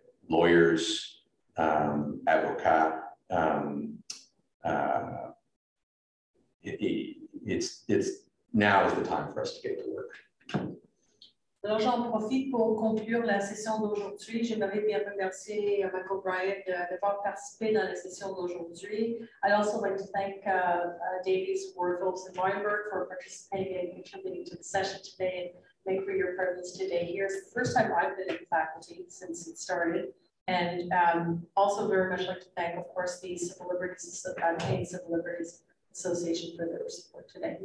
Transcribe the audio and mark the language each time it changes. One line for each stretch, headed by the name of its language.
English: Lawyers, it's now is the time for us to get to work.
French: Alors, j'en profite pour conclure la session d'aujourd'hui. J'aimerais bien remercier Michael Bryant d'avoir participé dans la session d'aujourd'hui.
English: I'd also like to thank Davies, Warfels, and Weinberg for participating and contributing to the session today, and thank for your presence today here. It's the first time I've been in faculty since it started. And also very much like to thank, of course, the Civil Liberties, Civil Liberties Association for their support today.